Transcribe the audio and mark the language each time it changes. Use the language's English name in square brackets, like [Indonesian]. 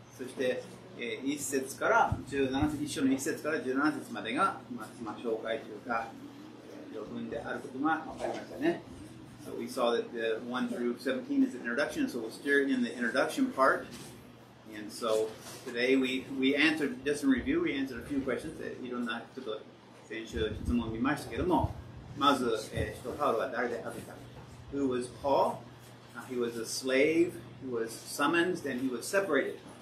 [Japanese] そして、1節から17節、一章の1節から17節までが、まあまあ、紹介というか、序文であることが分かりましたね。 [English] So we saw that the 1 through 17 is an introduction, so we'll start in the introduction part. And so today we answered, just in review, we answered a few questions. [Japanese] いろんな、ちょっと先週質問を見ましたけども、まず、使徒パウロは誰であるか。 [English] Who was Paul?、He was a slave, he was summoned, then he was separated.